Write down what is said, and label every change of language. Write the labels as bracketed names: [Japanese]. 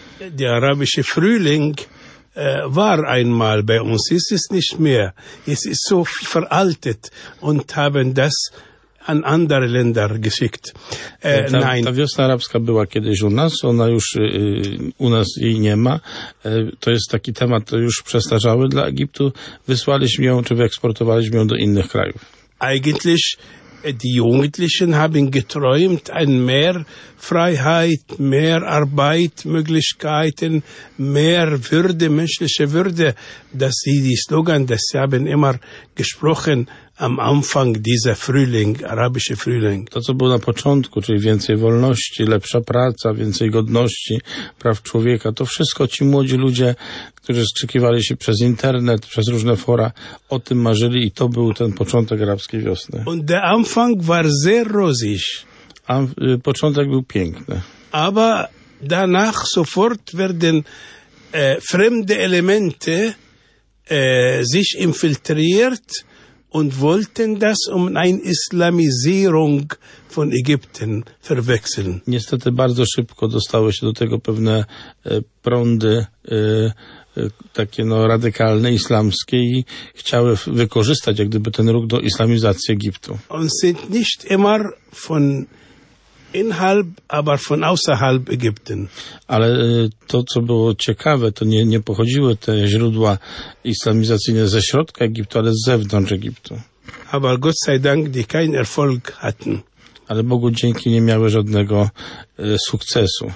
[German] Der arabische Frühling war einmal bei uns. Es ist nicht mehr. Es ist so veraltet und haben das an andere Länder geschickt. [Polish] Ta wiosna arabska była kiedyś u nas, ona już u nas jej nie ma. To jest taki temat już przestarzały dla Egiptu. Wysłaliśmy ją, czy wyeksportowaliśmy ją do innych krajów. [German] Eigentlich die Jugendlichen haben geträumt ein mehr Freiheit, mehr Arbeit, Möglichkeiten, mehr Würde, menschliche Würde, dass sie die Slogan, das sie haben immer gesprochen am Anfang dieser Frühling, arabische Frühling. [Polish] To, co było na początku, czyli więcej wolności, lepsza praca, więcej godności, praw człowieka, to wszystko ci młodzi ludzie, którzy skrzykiwali się przez internet, przez różne fora, o tym marzyli i to był ten początek arabskiej wiosny. [German] Und der Anfang war sehr rosig. [Polish] A początek był piękny. [German] Aber danach sofort werden fremde Elemente sich infiltriert und wollten das um eine Islamisierung von Ägypten verwechseln. [Polish] Niestety bardzo szybko dostały się do tego pewne prądy takie no radykalne, islamskie i chciały wykorzystać jak gdyby ten ruch do islamizacji Egiptu. [German] Und sind nicht immer von innerhalb, aber von außerhalb Ägypten. [Polish] Ale to, co było ciekawe, to nie pochodziły te źródła islamizacyjne ze środka Egiptu, ale z zewnątrz Egiptu. [German] Aber Gott sei Dank, die keinen Erfolg hatten. [Polish] Ale Bogu dzięki nie miały żadnego sukcesu.